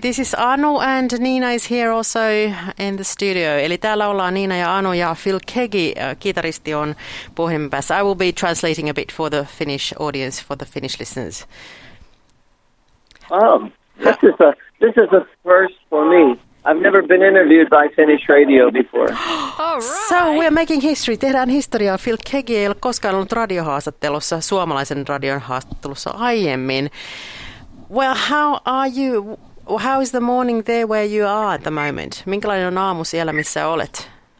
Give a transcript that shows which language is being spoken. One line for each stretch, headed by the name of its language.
English: This is Anu and Niina is here also in the studio.
Finnish: Eli täällä ollaan Niina ja Anu ja Phil Kegi, kitaristi, on puhelimen päässä.
English: I will be translating a bit for the Finnish audience, for the Finnish listeners. This is a first for me. I've never been interviewed by Finnish radio before. All right. So we're making history.
Finnish: Tehdään historiaa. Phil Kegi ei ole koskaan ollut radiohaastattelussa, suomalaisen radion haastattelussa aiemmin.
English: Well, how are you? How is the morning there where you are at the moment?
Finnish: Minkälainen on aamu siellä, missä olet?